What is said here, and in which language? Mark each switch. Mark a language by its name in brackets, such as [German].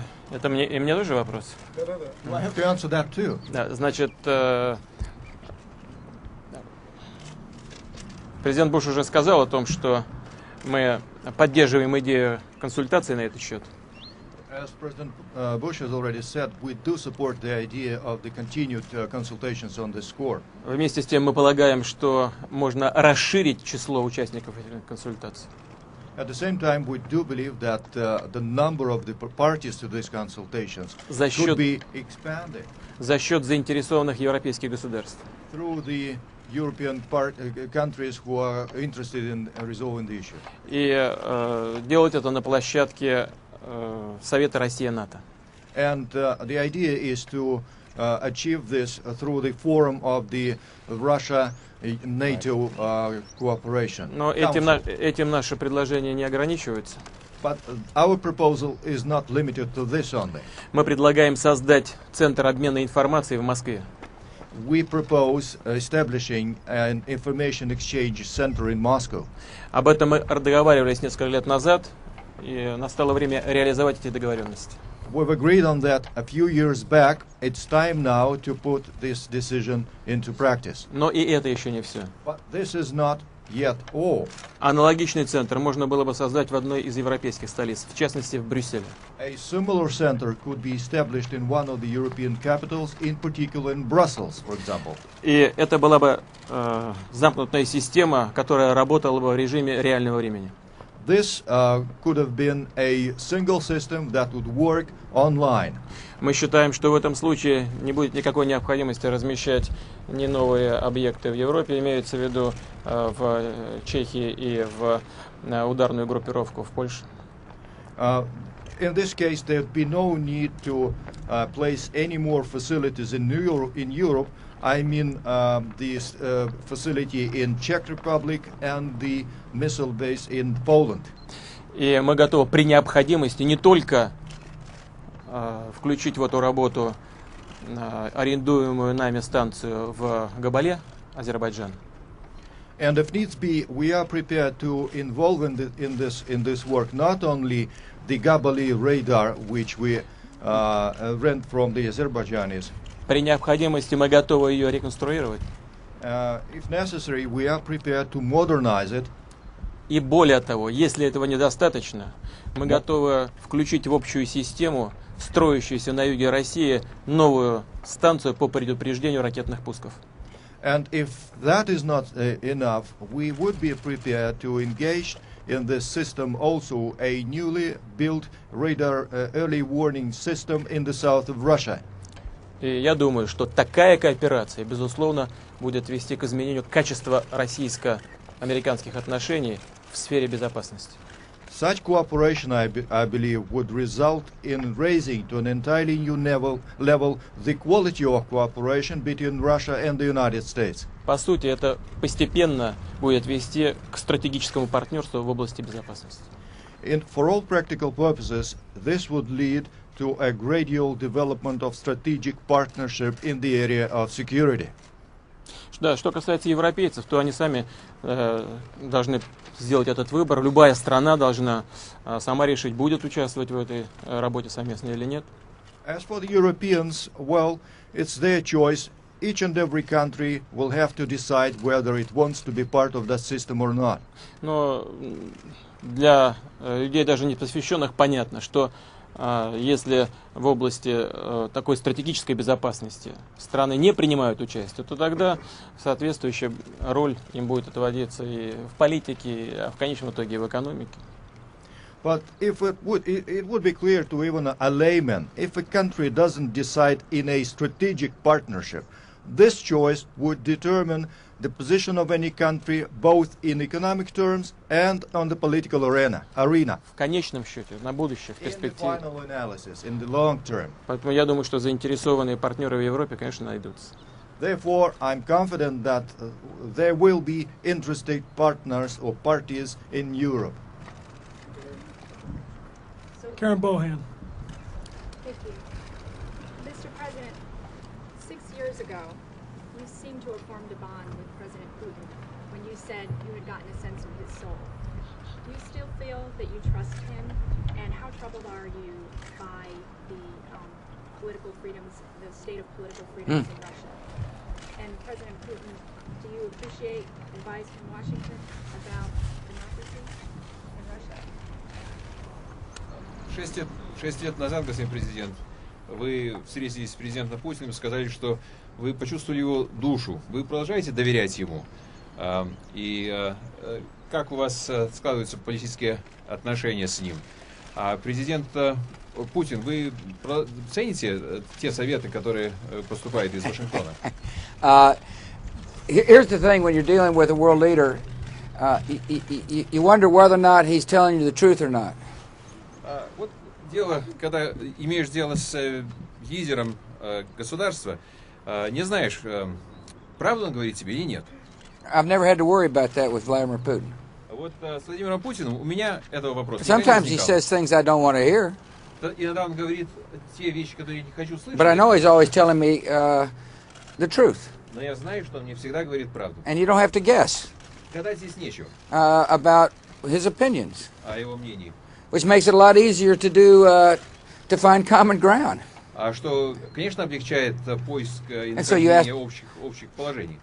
[Russian] Это мне, и мне тоже вопрос? Да-да-да. Значит, президент Буш уже сказал о том, что мы поддерживаем идею консультаций на этот счет. [English] As President Bush has already said, we do support the idea of the continued consultations on this score. [Russian] Вместе с тем мы полагаем, что можно расширить число участников этих консультаций. [English] At the same time, we do believe that the number of the parties to these consultations could be expanded. [Russian] За счет заинтересованных европейских государств. [English] Through the European countries who are interested in resolving the issue. [Russian] И делать это на площадке Совета России НАТО. [English] And the idea is to achieve this through the forum of the Russia-NATO cooperation. [Russian] Но этим наше предложение не ограничивается. [English] But our proposal is not limited to this only. [Russian] Мы предлагаем создать центр обмена информацией в Москве. [English] We propose establishing an information exchange center in Moscow. [Russian] Об этом мы договаривались несколько лет назад. И настало время реализовать эти договоренности. [English] We've agreed on that a few years back. It's time now to put this decision into practice. [Russian] Но и это еще не все. [English] But this is not yet all. [Russian] Аналогичный центр можно было бы создать в одной из европейских столиц, в частности в Брюсселе. [English] A similar center could be established in one of the European capitals, in particular in Brussels, for example. [Russian] И это была бы замкнутая система, которая работала бы в режиме реального времени. [English] This could have been a single system that would work online. [Russian] Мы считаем, что в этом случае не будет никакой необходимости размещать ни новые объекты в Европе, имеется в виду в Чехии и в ударную группировку в Польше. [English] In this case, there would be no need to place any more facilities in Europe. I mean the facility in Czech Republic and the missile base in Poland. [Russian] И мы готовы при необходимости не только включить в эту работу арендуемую нами станцию в Габале, Азербайджан. [English] And if needs be, we are prepared to involve in this work not only the Gabali radar, which we rent from the Azerbaijanis. [Russian] При необходимости мы готовы ее реконструировать. [English] If necessary, we are prepared to modernize it. [Russian] И более того, если этого недостаточно, мы готовы включить в общую систему, строящуюся на юге России, новую станцию по предупреждению ракетных пусков. [English] And if that is not enough, we would be prepared to engage in this system also a newly built radar early warning system in the south of Russia. [Russian] И я думаю, что такая кооперация, безусловно, будет вести к изменению качества российско-американских отношений в сфере безопасности. [English] Such cooperation, I believe, would result in raising to an entirely new level the quality of cooperation between Russia and the United States. [Russian] по сути, это постепенно будет вести к стратегическому партнерству в области безопасности. [English] And for all practical purposes, this would lead to a gradual development of strategic partnership in the area of security. [Russian] Да, что касается европейцев, то они сами должны сделать этот выбор. Любая страна должна сама решить, будет участвовать в этой работе совместно или нет. [English] As for the Europeans, well, it's their choice. Each and every country will have to decide whether it wants to be part of that system or not. [Russian] Но для людей, даже не посвященных, понятно, что если в области такой стратегической безопасности страны не принимают участие, то тогда соответствующая роль им будет отводиться и в политике, и в конечном итоге и в экономике. [English] But if it would be clear to even a layman, if a country doesn't decide in a strategic partnership, this choice would determine the position of any country both in economic terms and on the political arena. [Russian] В конечном счете, на будущее, в перспективе. [English] In the final analysis, in the long term. [Russian] Поэтому я думаю, что заинтересованные партнеры в Европе, конечно, найдутся. [English] Therefore, I'm confident that there will be interested partners or parties in Europe. Karen Bohan. Thank you. Mr. President, 6 years ago, you seemed to have formed a bond with President Putin when you said you had gotten a sense of his soul. Do you still feel that you trust him? And how troubled are you by the political freedoms, the state of political freedoms in Russia? And President Putin, do you appreciate advice from Washington about democracy in Russia? [Russian] Шесть лет назад, господин президент, вы встретились с президентом Путиным и сказали, что вы почувствовали его душу. Вы продолжаете доверять ему? И как у вас складываются политические отношения с ним? А президент Путин, вы цените те советы, которые поступают из Вашингтона? [English] Here's the thing, when you're dealing with a world leader, you wonder whether or not he's telling you the truth or not. [Russian] Вот дело, когда имеешь дело с лидером государства, не знаешь, правду он говорит тебе или нет. [English] I've never had to worry about that with Vladimir Putin. [Russian] Вот с Владимиром Путиным у меня этого вопроса [English] Sometimes [Russian] не возникало. [English] He says things I don't want to hear. [Russian] Иногда он говорит те вещи, которые я не хочу слышать. [English] But I know he's always telling me the truth. [Russian] Но я знаю, что он мне всегда говорит правду. [English] And you don't have to guess. [Russian] Гадать здесь нечего. [English] About his opinions. [Russian] О его мнении. [English] Which makes it a lot easier to do to find common ground. [Russian] А что, конечно, облегчает поиск и нахождение общих положений.